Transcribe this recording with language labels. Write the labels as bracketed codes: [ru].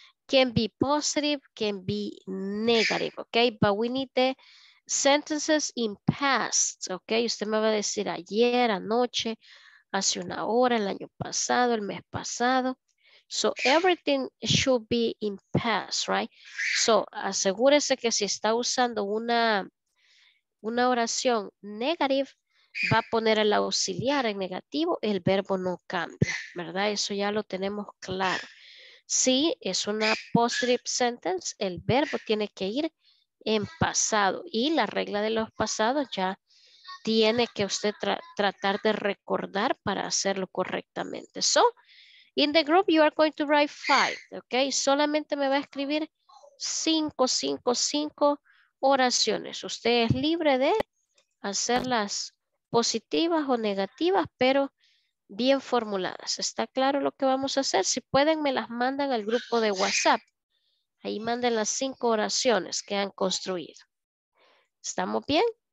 [en] Can be positive, can be negative, okay? But we need the sentences in past, okay? [es] Usted me va a decir ayer, anoche, hace una hora, el año pasado, el mes pasado. [en] So everything should be in past, right? [es] So asegúrese que si está usando una oración negative, va a poner el auxiliar en negativo, el verbo no cambia, ¿verdad? Eso ya lo tenemos claro. Si es una [en] positive sentence, [es] el verbo tiene que ir en pasado. Y la regla de los pasados ya tiene que usted tratar de recordar para hacerlo correctamente. [en] So, in the group, you are going to write 5, okay? [es] Solamente me va a escribir 5 oraciones. Usted es libre de hacerlas positivas o negativas, pero bien formuladas. ¿Está claro lo que vamos a hacer? Si pueden, me las mandan al grupo de WhatsApp. Ahí manden las 5 oraciones que han construido. ¿Estamos bien?